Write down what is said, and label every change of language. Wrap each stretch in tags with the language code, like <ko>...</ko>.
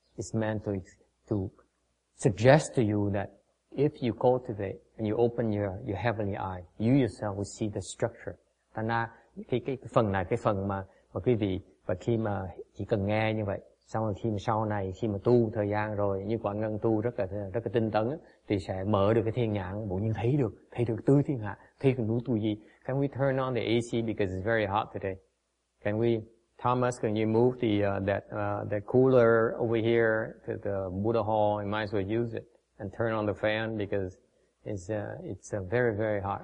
<en>It's meant to suggest to you that if you cultivate and you open your heavenly eye, you yourself will see the structure.</en> <vi>Thành ra cái phần này, cái phần mà quý vị và khi mà chỉ cần nghe như vậy, xong rồi khi mà sau này khi mà tu thời gian rồi, như Quảng Ngân tu rất là tinh tấn, thì sẽ mở được cái thiên nhãn, bỗng nhiên thấy được tứ thiên hạ, thấy được núi tu di.</vi> <en>Can we turn on the AC because it's very hot today? Can we, Thomas, can you move the that cooler over here to the Buddha hall? You might as well use it. And turn on the fan because it's very, very hot.</en>